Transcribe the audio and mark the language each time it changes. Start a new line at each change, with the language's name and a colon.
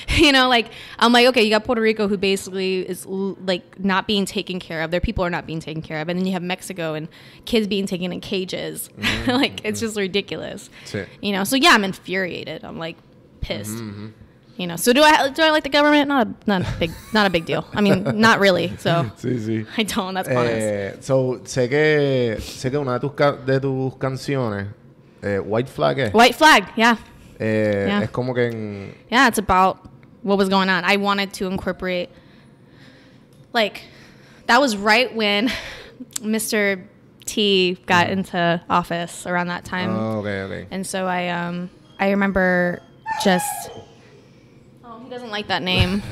English: You know, like, I'm like, okay, you got Puerto Rico, who basically is like not being taken care of. Their people are not being taken care of. And then you have Mexico and kids being taken in cages. Like, it's just ridiculous.
Spanish: Sí.
English: You know? So yeah, I'm infuriated. I'm like, pissed. Mm-hmm. You know, so do I like the government? Not a big deal. I mean, not really. So
Spanish: sí.
English: I don't, that's honest.
Spanish: So sé que una de tus canciones, White Flag.
English: White Flag, yeah.
Spanish: Yeah. Es como que en...
English: Yeah, it's about what was going on. I wanted to incorporate, like, that was right when Mr. T got into office, around that time. Oh, okay. And so I remember just, oh, he doesn't like that name.